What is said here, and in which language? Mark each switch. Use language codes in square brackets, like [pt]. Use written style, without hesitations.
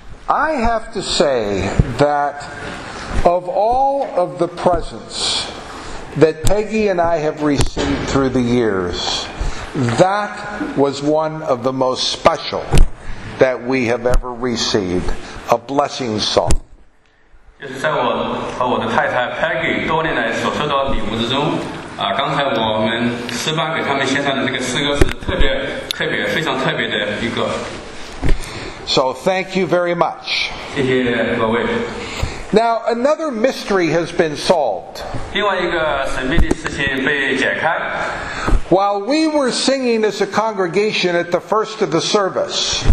[en] I have to say that of all of the presents that Peggy and I have received through the years, that was one of the most special that we have ever received, a blessing song. [zh] 就是在我和我的太太 Peggy 多年来所收到的礼物之中，刚才我们师班给他们献上的这个诗歌是特别特别非常特别的一个。 [en] So thank you very much. [zh] 谢谢各位。 [en] Now another mystery has been solved. [zh] 另外一个神秘的事情被解开。 [en] While we were singing as a congregation at the first of the service,